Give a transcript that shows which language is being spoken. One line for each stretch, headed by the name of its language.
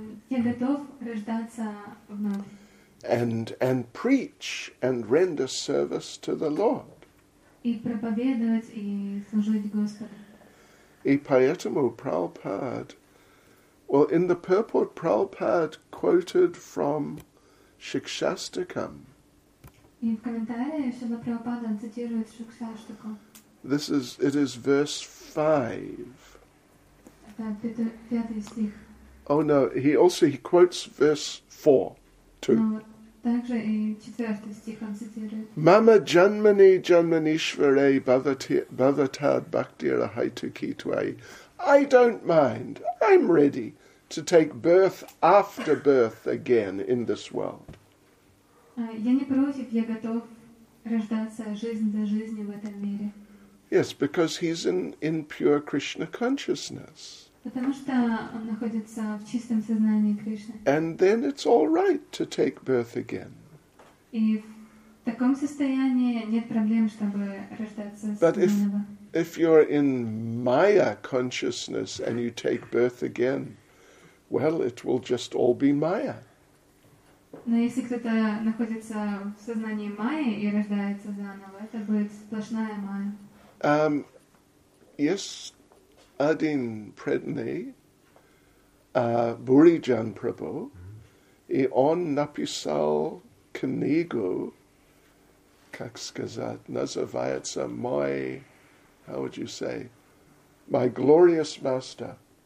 Russian: Я готов рождаться вновь.
English: And preach and render service to the Lord.
Russian: И проповедовать и служить Господу. И поэтому Прабхупад,
English: well, in the purport, Prabhupada quoted from Shikshastakam.
Russian: И в комментарии Шрила Прабхупада цитирует Шикшаштаку.
English: It is verse 5.
Russian: Это пятый стих.
English: Oh no, he quotes verse 4 too.
Sanskrit: Mama janmani janmanishvare bhavatad bhaktira haitukitvai.
English: I don't mind. I'm ready to take birth after birth again in this world.
Russian: Я не против, я готов рождаться жизнь за жизнью в этом мире.
English: Yes, because he's in pure Krishna consciousness.
Russian: Потому что он находится в чистом сознании Кришны.
English: And then it's all right to take birth again.
Russian: И в таком состоянии нет проблем, чтобы рождаться снова.
English: But if you're in Maya consciousness and you take birth again, well, it will just all be Maya.
Russian: Но если кто-то находится в сознании Майи и рождается заново, это будет сплошная Майя. Yes. Adin Predney, Burijan Prabhu, и он написал книгу, как сказать, называется «Мой»,
English: how would you say, «My Glorious Master».